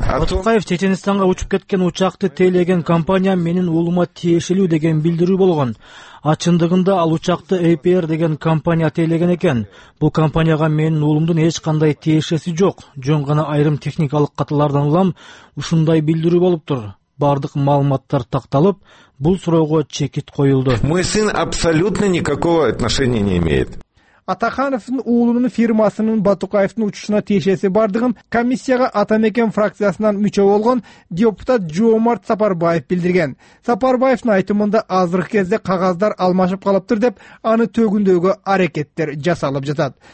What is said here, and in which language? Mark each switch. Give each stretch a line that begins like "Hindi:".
Kyrgyz: Батукаев Чеченистанга учуп кеткен учакты тейлеген компания менин уулума тиешелүү деген билдирүү болгон. А чындыгында ал учакты APR деген компания тейлеген экен. Бул компанияга менин уулумдун эч кандай тиешеси жок. Жөн гана айрым техникалык катылардан улам ушундай билдирүү болуп тур. Бардык маалыматтар такталып, бул суроого чекит коюлду.
Russian: Мой сын абсолютно никакого отношения не имеет.
Kyrgyz: Атахановдун уулунун фирмасынын Батукаевдин учушуна тиешеси бардыгын комиссияга Атамекен фракциясынан мүчө болгон депутат Жоомарт Сапарбаев билдирген. Сапарбаевдин айтымында азыркы кезде кагаздар алмашып калыптыр деп аны төгүндөөгө аракеттер жасалып жатат.